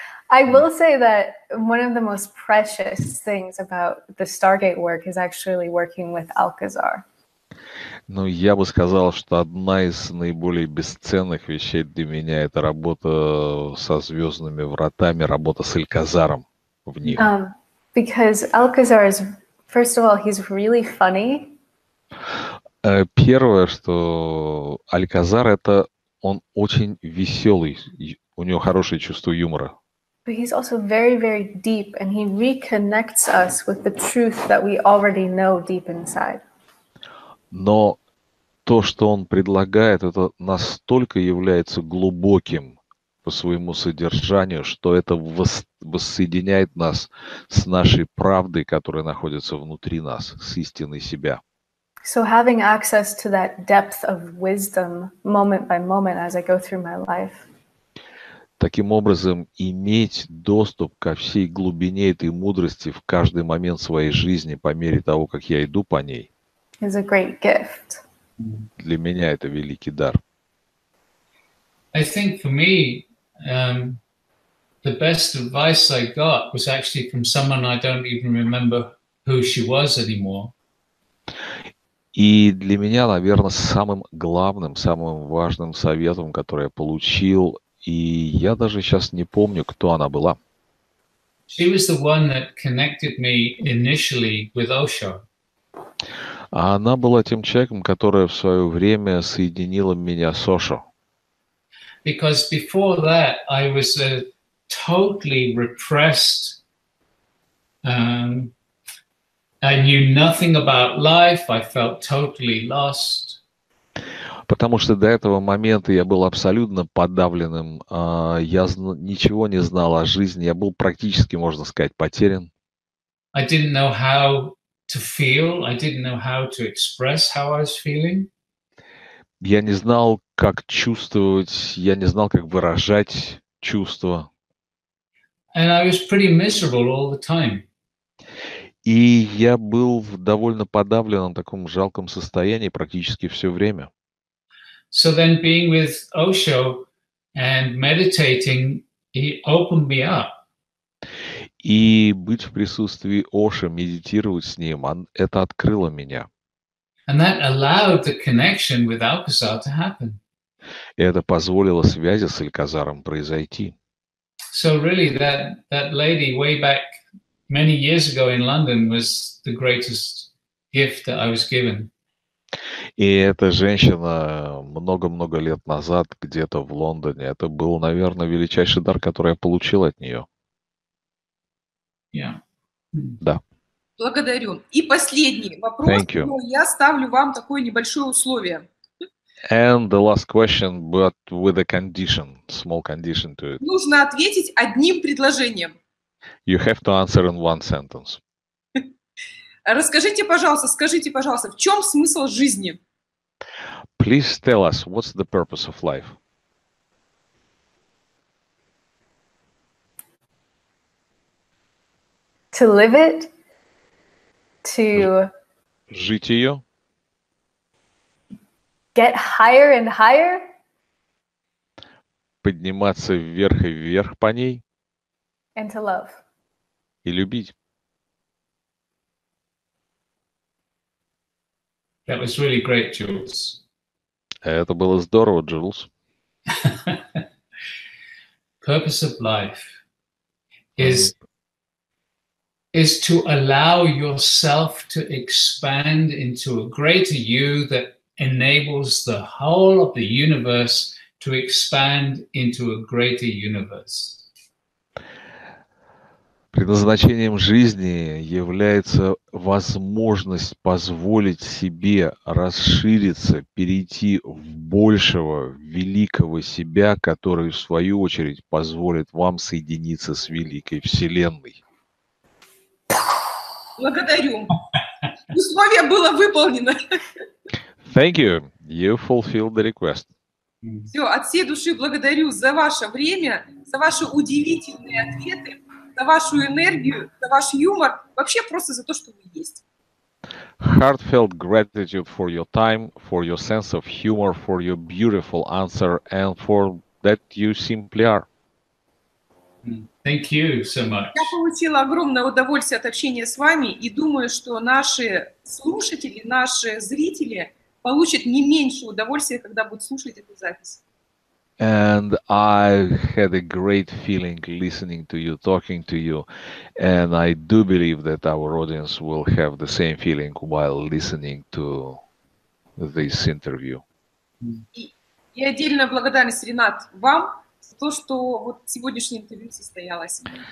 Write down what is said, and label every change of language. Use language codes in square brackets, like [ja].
[en] I will say that one of the most precious things about the Stargate work is actually working with Alcazar. [ru] Ну, я бы сказал, что одна из наиболее бесценных вещей для меня — это работа со звездными вратами, работа с Альказаром в них. [en] Because Alcazar is, first of all, he's really funny. [ru] Первое, что Альказар — это он очень веселый, у него хорошее чувство юмора. [en] But he's also very, very deep, and he reconnects us with the truth that we already know deep inside. [ru] Но то, что он предлагает, это настолько является глубоким по своему содержанию, что это воссоединяет нас с нашей правдой, которая находится внутри нас, с истиной себя. [en] So having access to that depth of wisdom moment by moment as I go through my life. [ru] Таким образом, иметь доступ ко всей глубине этой мудрости в каждый момент своей жизни по мере того, как я иду по ней. [en] Is a great gift. [ru] Для меня это великий дар. [en] I think for me, the best advice I got was actually from someone I don't even remember who she was anymore. [ru] И для меня, наверное, самым главным, самым важным советом, который я получил, и я даже сейчас не помню, кто она была. [en] She was the one that connected me initially with Osho. [ru] А она была тем человеком, которая в свое время соединила меня с Осо. [en] Because before that I was a totally repressed, I knew nothing about life, I felt totally lost. [ru] Потому что до этого момента я был абсолютно подавленным, я ничего не знал о жизни, я был практически, можно сказать, потерян. [en] I didn't know how to feel, I didn't know how to express how I was feeling. [ru] Я не знал, как чувствовать, я не знал, как выражать чувства. [en] And I was pretty miserable all the time. [ru] И я был в довольно подавленном, таком жалком состоянии практически все время. [en] So then being with Osho and meditating, he opened me up. [ru] И быть в присутствии Оши, медитировать с ним, это открыло меня. [en] And that allowed the connection with Alcazar to happen. [ru] И это позволило связи с Альказаром произойти. [en] So really that lady way back many years ago in London was the greatest gift that I was given. [ru] И эта женщина много-много лет назад где-то в Лондоне, это был, наверное, величайший дар, который я получил от нее. [en] Yeah. [ru] Да. Благодарю. И последний вопрос. [en] Thank you. [ru] Я ставлю вам такое небольшое условие. [en] And the last question, but with a condition, small condition to it. [ru] Нужно ответить одним предложением. [en] You have to answer in one sentence. [ru] Скажите, пожалуйста, в чем смысл жизни? [en] Please tell us, what's the purpose of life? To live it, to [ru] жить ее, [en] get higher and higher, [ru] подниматься вверх и вверх по ней. [en] And to love. [ru] И любить. [en] That was really great, Jules. [ru] Это было здорово, Джулс. [en] Purpose of life is to allow yourself to expand into a greater you that enables the whole of the universe to expand into a greater universe. [ru] Предназначением жизни является возможность позволить себе расшириться, перейти в большего, великого себя, который, в свою очередь, позволит вам соединиться с великой Вселенной. Благодарю. Условие было выполнено. [en] Thank you. You fulfilled the request. [ru] Все, от всей души благодарю за ваше время, за ваши удивительные ответы, за вашу энергию, за ваш юмор, вообще просто за то, что вы есть. [en] Heartfelt gratitude for your time, for your sense of humor, for your beautiful answer, and for that you simply are. Thank you so much. [ru] Я получила огромное удовольствие от общения с вами, и думаю, что наши слушатели, наши зрители получат не меньше удовольствия, когда будут слушать эту запись. [en] And I had a great feeling listening to you, talking to you, and I do believe that our audience will have the same feeling while listening to this interview. [ru] И отдельная благодарность, Ренат, вам за то, что вот сегодняшнее интервью состоялось.